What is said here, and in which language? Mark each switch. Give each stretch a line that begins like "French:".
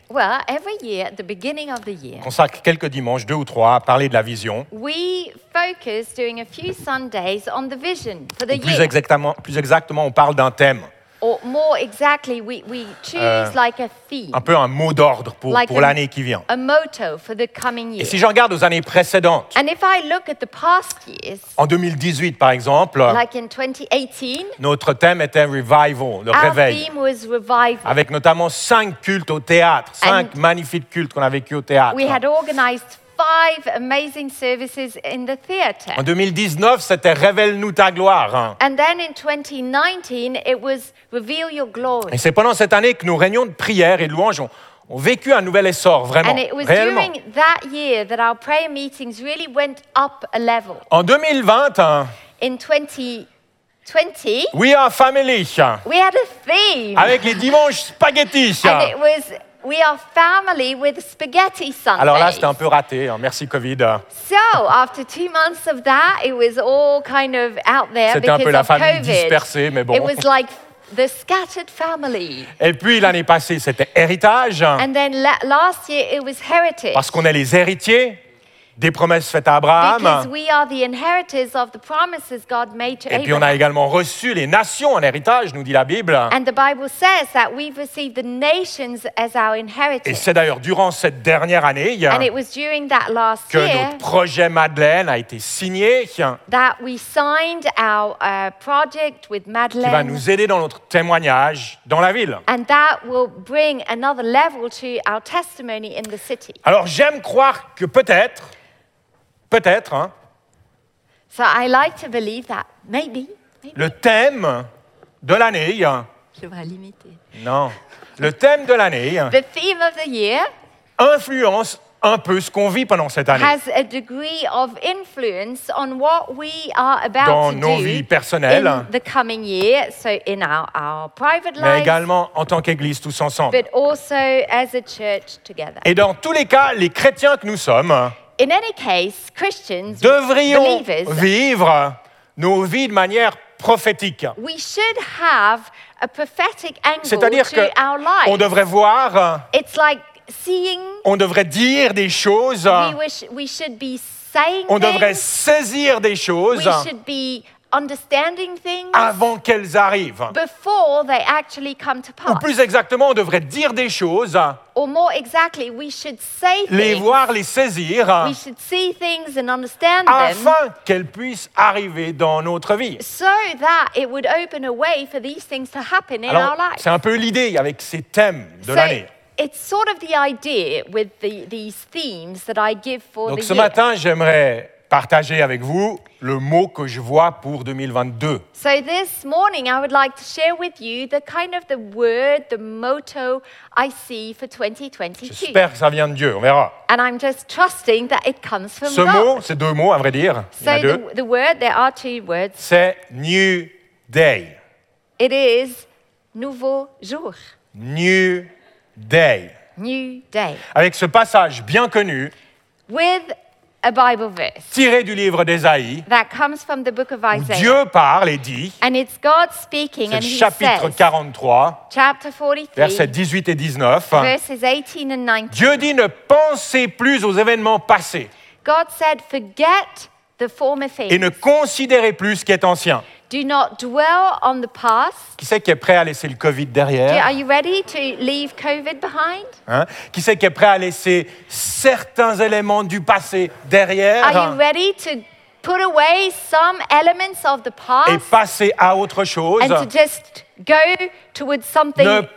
English: well, every year, at the beginning of the year,
French: on consacre quelques dimanches, deux ou trois, à parler de la vision.
English: We focus doing a few Sundays on the vision for the year.
French: Plus exactement, on parle d'un thème.
English: Or more exactly, we choose like a theme.
French: Un peu un mot d'ordre pour l'année qui vient.
English: A motto for the coming year.
French: Et si je regarde aux années précédentes,
English: and if I look at the past years,
French: en 2018, par exemple,
English: like in 2018,
French: notre thème était revival, le réveil.
English: Our theme was revival.
French: Avec notamment cinq cultes au théâtre, cinq
English: and
French: magnifiques cultes qu'on a vécu au théâtre.
English: We had organized five amazing services in the theater.
French: En 2019, c'était Révèle-nous ta gloire. Hein.
English: And then in 2019, it was Reveal your glory.
French: Et c'est pendant cette année que nos réunions de prière et de louange ont vécu un nouvel essor, vraiment,
English: and it was
French: réellement.
English: During that year that our prayer meetings really went up a level.
French: En 2020, hein,
English: in 2020, we are family. We had a theme.
French: Avec les dimanches spaghetti.
English: And it was We are family with spaghetti Sundays.
French: Alors là, c'était un peu raté. Hein. Merci Covid.
English: So after 2 months of that, it was all kind of out there
French: c'était
English: because
French: un peu la
English: of
French: famille
English: COVID.
French: Dispersée, mais bon.
English: It was like the scattered family.
French: Et puis l'année passée, c'était héritage.
English: And then last year, it was heritage. Parce qu'on est les héritiers des promesses faites à Abraham. Because we are the inheritors of the promises God made to Abraham.
French: Et puis on a également reçu les nations en héritage, nous dit la Bible.
English: And the Bible says that we've received the nations as our inheritance.
French: Et c'est d'ailleurs durant cette dernière année
English: and it was during that last
French: que
English: year,
French: notre projet Madeleine a été signé.
English: That we signed our project with Madeleine.
French: Qui va nous aider dans notre témoignage dans la ville.
English: And that will bring another level to our testimony in the city.
French: Alors j'aime croire que peut-être peut-être, hein.
English: So I like to believe that maybe.
French: Le thème de l'année. Je vais limiter. Non. Le thème de l'année.
English: The theme of the year.
French: Influence un peu ce qu'on vit pendant cette année.
English: Has a degree of influence on what we are about to do.
French: Dans nos vies personnelles.
English: In the coming year, so in our private lives.
French: Mais également en tant qu'église tous ensemble.
English: But also as a church together.
French: Et dans tous les cas, les chrétiens que nous sommes.
English: In any case, Christians,
French: devrions
English: believers,
French: vivre nos vies de manière prophétique.
English: We should have a prophetic angle
French: c'est-à-dire
English: to our life.
French: On devrait voir.
English: It's like seeing.
French: On devrait dire des choses.
English: We should be saying
French: on On devrait saisir des choses.
English: We should be understanding things
French: avant qu'elles arrivent.
English: Before they actually come to pass.
French: Ou plus exactement, on devrait dire des choses.
English: Or more exactly, we should say things.
French: Les voir, les saisir.
English: We should see things and understand
French: afin
English: them.
French: Afin qu'elles puissent arriver dans notre vie.
English: So that it would open a way for these things to happen
French: alors,
English: in our lives.
French: C'est un peu l'idée avec ces thèmes de
English: so,
French: l'année.
English: It's sort of the idea with these themes that I give for
French: donc,
English: the
French: donc ce
English: year.
French: Matin, j'aimerais partager avec vous le mot que je vois pour 2022.
English: So this morning I would like to share with you the kind of the word, the motto I see for 2022.
French: J'espère que ça vient de Dieu, on verra.
English: And I'm just trusting that it comes from
French: ce
English: God.
French: Ce mot, c'est deux mots à vrai dire,
English: so
French: il y a deux.
English: The word, there are two words.
French: C'est
English: new day. It is
French: nouveau jour.
English: New day. New day.
French: Avec ce passage bien connu.
English: With a Bible verse
French: tiré du livre d'Ésaïe.
English: That comes from the book of Isaiah.
French: Dieu parle et dit.
English: And it's God speaking and he says.
French: Chapitre 43.
English: Chapter 43.
French: Versets 18 et 19.
English: Verses 18 and 19.
French: Dieu dit ne pensez plus aux événements passés.
English: God said forget the former things.
French: Et ne considérez plus ce qui est ancien.
English: Do not dwell on the past.
French: Qui c'est qui est prêt à laisser le COVID derrière?
English: Are you ready to leave COVID behind?
French: Hein? Qui c'est qui est prêt à laisser certains éléments du passé derrière?
English: Are you ready to put away some elements of the past?
French: Et passer à autre chose?
English: And to just go towards something different?